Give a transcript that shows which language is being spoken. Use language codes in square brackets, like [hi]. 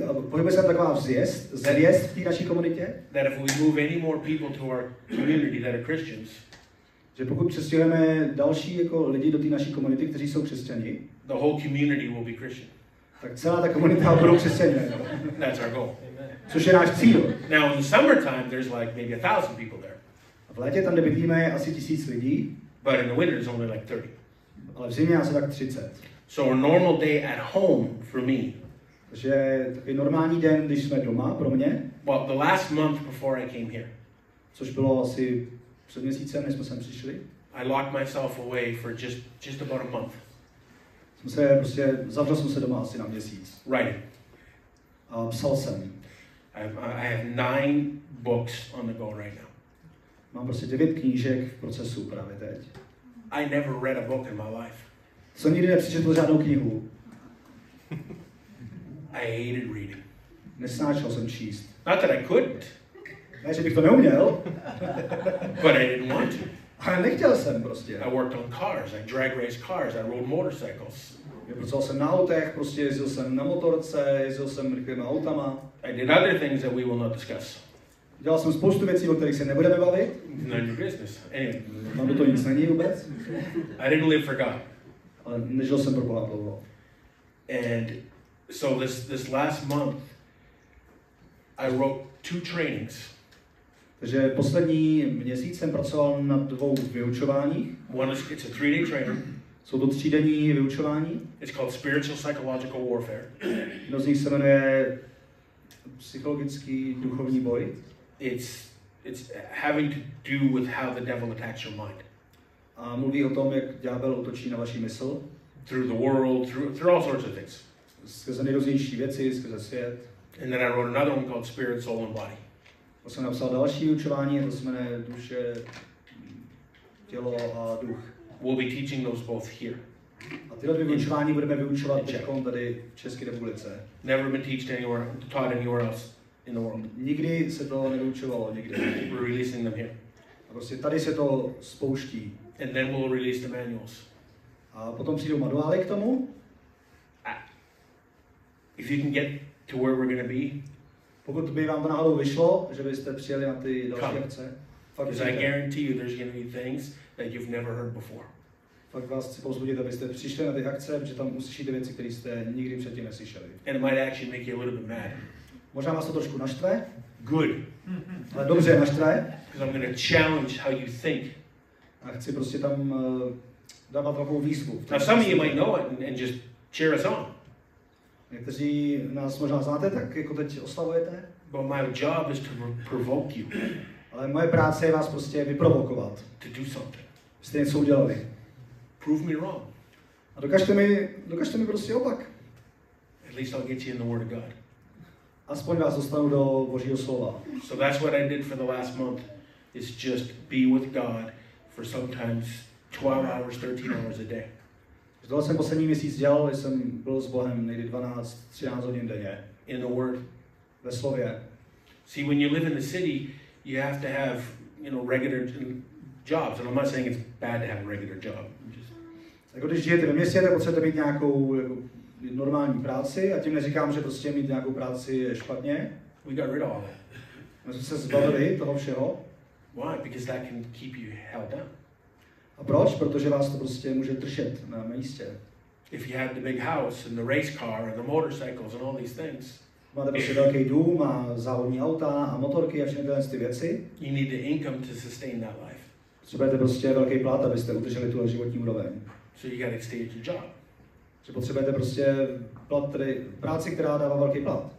[cs] pojďme se taková zvěst v té naší komunitě. [en] That if we move any more people to our community that are Christians, [cs] že pokud přestěhujeme další jako lidi do té naší komunity, kteří jsou křesťani, [en] the whole community will be Christian. [cs] Tak celá ta komunita budou křesťané. [en] That's our goal. [cs] Což je náš cíl. [en] Now in the summertime there's like maybe 1,000 people there. [cs] V létě tam, kde bydlíme, je asi 1,000 lidí. [en] But in the winter it's only like 30. [cs] Ale v zimě asi tak 30. [en] So a normal day at home for me. [cs] Takže takový normální den, když jsme doma, pro mě. [en] Well, the last month before I came here. [cs] Což bylo asi před měsícem, než jsme sem přišli. [en] I locked myself away for just about a month. [cs] Zavřel jsem se doma asi na měsíc. [en] Writing. [cs] A psal jsem. [en] I have 9 books on the go right now. [cs] Mám prostě 9 knížek v procesu právě teď. [en] I never read a book in my life. [cs] Co nikdy nepřečetl žádnou knihu. [en] I hated reading. [cs] Nesnášel jsem číst. [en] Not that I couldn't. [cs] Ne, že bych to neuměl. [en] But I didn't want to. [cs] Ale nechtěl jsem prostě. [en] I worked on cars, I drag raced cars, I rode motorcycles. [cs] Pracoval jsem na autech, prostě jezdil jsem na motorce, jezdil jsem rychlýma autama. [en] I did other things that we will not discuss. [cs] Dělal jsem spoustu věcí, o kterých se nebudeme bavit. [en] None of your business. Anyway. [cs] Mám do toho nic není vůbec. [en] I didn't live for God. [cs] Ale nežil jsem pro Boha dlouho. [en] And so this last month, I wrote 2 trainings. [cs] Takže poslední měsíc jsem pracoval na 2 vyučováních. [en] One is, it's a 3-day training. [cs] Jsou to 3-denní vyučování. [en] It's called spiritual psychological warfare. [cs] Jedno z nich se jmenuje psychologický duchovní boj. [en] It's having to do with how the devil attacks your mind. [cs] A mluví o tom, jak ďábel útočí na vaši mysl. [en] Through the world, through all sorts of things. [cs] Skrze nejrůznější věci, skrze svět. [en] And then I wrote another one called spirit, soul and body. [cs] A jsem napsal další vyučování, to se jmenuje duše, tělo a duch. [en] We'll be teaching those both here. [cs] A tyhle dvě vyučování budeme vyučovat teďkon tady v České republice. [en] Never been taught anywhere else in the world. [cs] Nikdy se to nevyučovalo nikde. [en] We're releasing them here. [cs] A prostě tady se to spouští. [en] And then we'll release the manuals. [cs] A potom přijdou manuály k tomu. [en] If you can get to where we're going to be. [cs] Pokud by vám to náhodou vyšlo, že byste přijeli na ty další akce. [en] Because I guarantee you there's going to be things that you've never heard before. [cs] Fakt vás chci pozbudit, abyste přišli na ty akce, protože tam uslyšíte věci, které jste nikdy předtím neslyšeli. [en] And it might actually make you a little bit mad. [cs] Možná vás to trošku naštve. [en] Good. [cs] Ale dobře, naštve. [en] Because I'm going to challenge how you think. [cs] A chci prostě tam dávat takovou výzvu. [en] Now some of you might know it and just cheer us on. [cs] Někteří nás možná znáte, tak jako teď oslavujete. [en] But my job is to provoke you. [cs] Ale moje práce je vás prostě vyprovokovat. [en] To do something. [cs] Jste něco udělali. [en] Prove me wrong. [cs] A dokažte mi prostě opak. [en] At least I'll get you in the word of God. [cs] Aspoň vás dostanu do Božího slova. [en] So that's what I did for the last month, is just be with God for sometimes 12 hours, 13 hours a day. [cs] Tohle jsem poslední měsíc dělal, že jsem byl s Bohem někdy 12, 13 hodin denně. [en] In the word. [cs] Ve slově. [en] See, when you live in the city, you have to have, you know, regular jobs. And I'm not saying it's bad to have a regular job. [cs] Jako když žijete ve městě, tak potřebujete mít nějakou normální práci. A tím neříkám, že prostě mít nějakou práci je špatně. [en] We got rid of all that. [cs] My jsme se zbavili toho všeho. [en] Why? Because that can keep you held down. [cs] A proč? Protože vás to prostě může držet na místě. [en] If you had the big house and the race car and the motorcycles and all these things. [cs] Máte prostě velký dům a závodní auta a motorky a všechny ty věci. [en] You need the income to sustain that life. [cs] Potřebujete prostě velký plat, abyste udrželi tuhle životní úroveň. [en] So you gotta stay at your job. [cs] Že potřebujete prostě plat, tedy práci, která dává velký plat.